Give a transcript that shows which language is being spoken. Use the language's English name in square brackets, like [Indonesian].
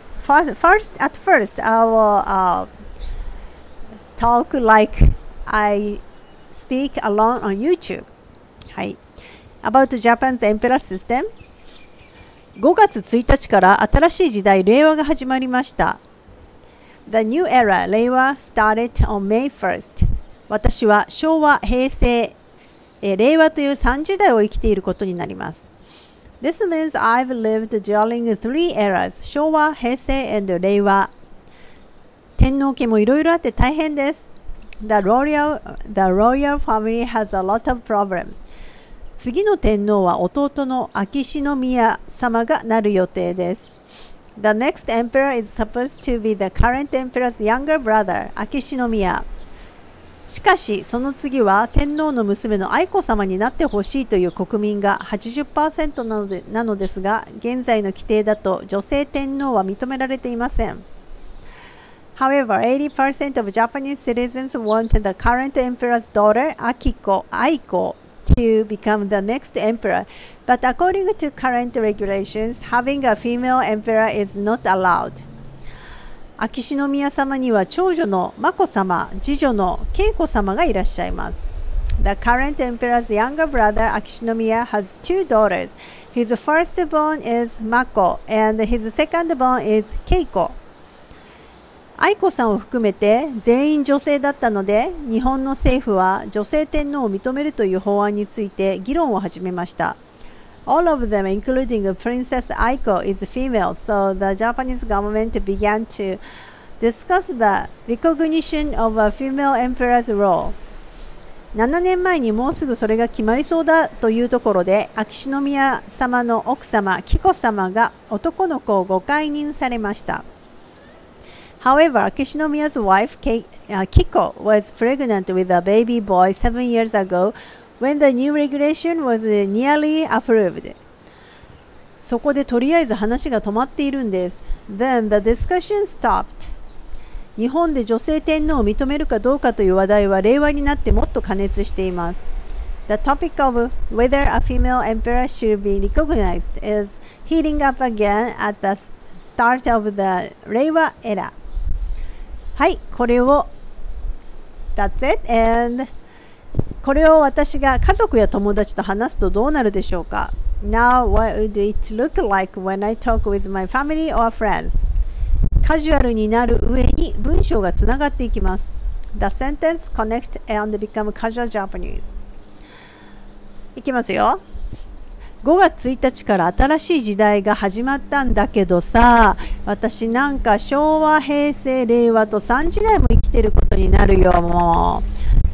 [English] At first, I will talk likeI speak alone on YouTube. はい。About Japan's Emperor System. [Japanese] 5月1日から新しい時代、令和が始まりました。 [English] The new era, 令和, started on May 1st. [Japanese] 私は昭和、平成、令和という3時代を生きていることになります。 [English] This means I've lived during three eras, [Japanese] 昭和、平成 and 令和。天皇家もいろいろあって大変です。 [English] The royal family has a lot of problems. [Japanese] 次の天皇は弟の秋篠宮様がなる予定です。 [English] The next emperor is supposed to be the current emperor's younger brother, [Japanese] 秋篠宮。しかし、その次は天皇の娘の愛子様になってほしいという国民が 80% なのですが、現在の規定だと女性天皇は認められていません。 [English] However, 80% of Japanese citizens want the current emperor's daughter, Aiko, to become the next emperor. But according to current regulations, having a female emperor is not allowed. [Japanese] 秋篠宮様には長女の眞子様、次女の恵子様がいらっしゃいます。 [English] The current emperor's younger brother, 秋篠宮, has two daughters. His firstborn is Mako, and his secondborn is Keiko. [Japanese] 愛子さんを含めて全員女性だったので、日本の政府は女性天皇を認めるという法案について議論を始めました。 [English] All of them, including Princess Aiko, is female, so the Japanese government began to discuss the recognition of a female emperor's role. [Japanese] 7年前にもうすぐそれが決まりそうだというところで、秋篠宮様の奥様、紀子様が男の子をご解任されました。 [English] However, 秋篠宮's wife, Kiko, was pregnant with a baby boy 7 years ago when the new regulation was nearly approved. [Japanese] そこでとりあえず話が止まっているんです。 [English] Then the discussion stopped. [Japanese] 日本で女性天皇を認めるかどうかという話題は令和になってもっと過熱しています。 [English] The topic of whether a female emperor should be recognized is heating up again at the start of the 令和 era. [Japanese] はい、これを [English] That's it. And [Japanese] これを私が家族や友達と話すとどうなるでしょうか。 [English] Now what would it look like when I talk with my family or friends? [Japanese] カジュアルになる上に文章がつながっていきます。 [English] The sentence connects and become casual Japanese. [Japanese] いきますよ。 5月1日から新しい時代が始まったんだけどさ、私なんか昭和、平成、令和と3時代も生きてることになるよ、もう。